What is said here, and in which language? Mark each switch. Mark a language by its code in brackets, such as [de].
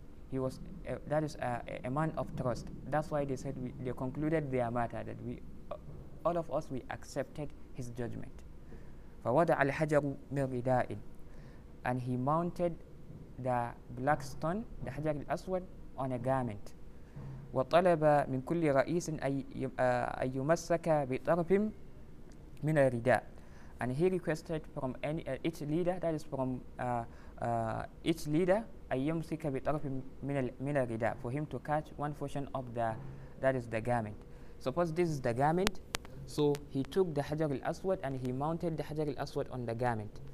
[en] He was, a man of trust. That's why they said, they concluded their matter, that we accepted his judgment. [ar] فَوَضَعَ الْحَجَرُ مِنْ رِدَاءٍ. [en] And he mounted the black stone, the Hajar al-Aswad, on a garment. [ar] وطلب من كل رئيس أن يمسك بطرف من الرداء. [en] And he requested from each leader, that is from each leader, [ar] أن يمسك بطرف من الرداء, [en] for him to catch one portion of the, that is the garment. Suppose this is the garment. So he took the Hajar al-Aswad and he mounted the Hajar al-Aswad on the garment.